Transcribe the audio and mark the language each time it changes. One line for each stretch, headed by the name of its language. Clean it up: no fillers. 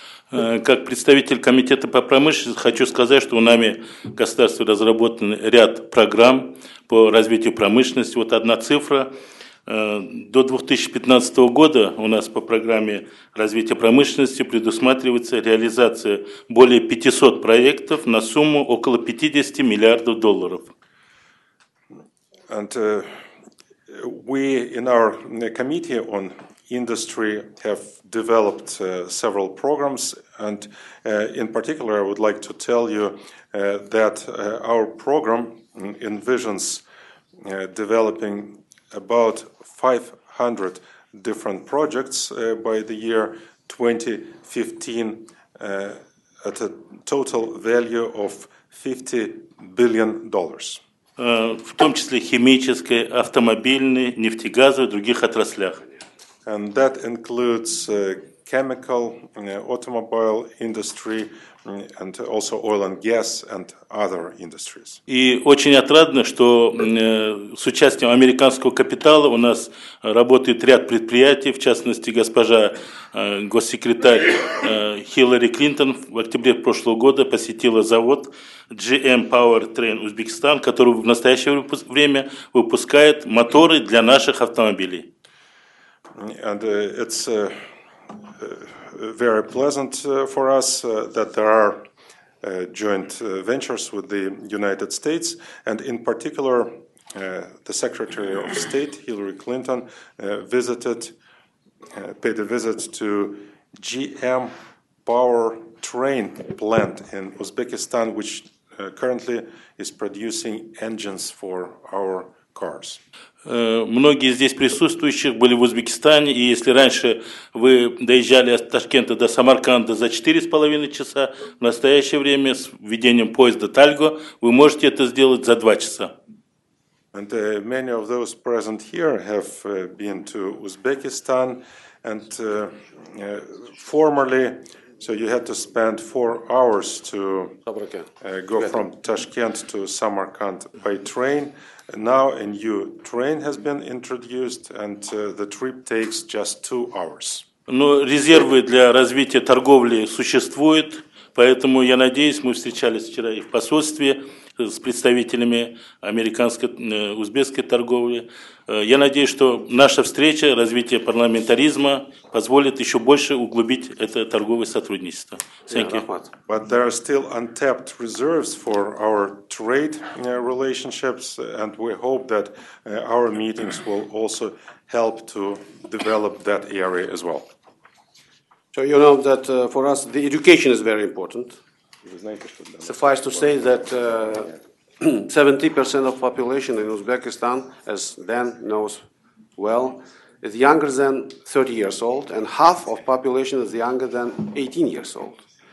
Russian: Как представитель комитета по промышленности хочу сказать, что у нами государстве разработан ряд программ по развитию промышленности. Вот одна цифра. До 2015 года у нас по программе развития промышленности предусматривается реализация более 500 проектов на сумму около 50 миллиардов долларов.
English: And we in our committee on industry have developed several programs, and in particular I would like to tell you that our program envisions developing about 500 different projects by the year 2015 at a total value of $50 billion.
Russian: В том числе химической, автомобильной, нефтегазовой, других отраслях.
English: And that includes chemical, automobile industry, and also oil and gas and other industries.
Russian: И очень отрадно, что с участием американского капитала у нас работает ряд предприятий, в частности, госпожа госсекретарь Хиллари Клинтон в октябре прошлого года посетила завод GM Powertrain Uzbekistan, который в настоящее время выпускает моторы для наших автомобилей.
English: And it's very pleasant for us that there are joint ventures with the United States, and in particular, the Secretary of State Hillary Clinton paid a visit to GM Powertrain plant in Uzbekistan, which currently is producing engines for our cars.
Russian: Многие здесь присутствующих были в Узбекистане, и если раньше вы доезжали от Ташкента до Самарканда за 4,5 часа, в настоящее время с введением поезда Тальго вы можете это сделать за 2 часа.
English: And many of those present here have been to Uzbekistan, and formerly, so you had to spend 4 hours to go from Tashkent to Samarkand by train. Now a new train has been introduced, and the trip takes just 2 hours.
Russian: Но резервы для развития торговли существуют, поэтому я надеюсь, мы встречались вчера и в посольстве с представителями американской, узбекской торговли. Я надеюсь, что наша встреча, развитие парламентаризма позволит еще больше углубить это торговое сотрудничество.
English: Thank you. But there are still untapped reserves for our trade relationships, and we hope that our meetings will also help to develop that area as well. So you know that for us the education is very important. Suffice to say that 70% of population in Uzbekistan, as Dan knows well, is younger than 30 years old, and half of population is younger than 18 years old.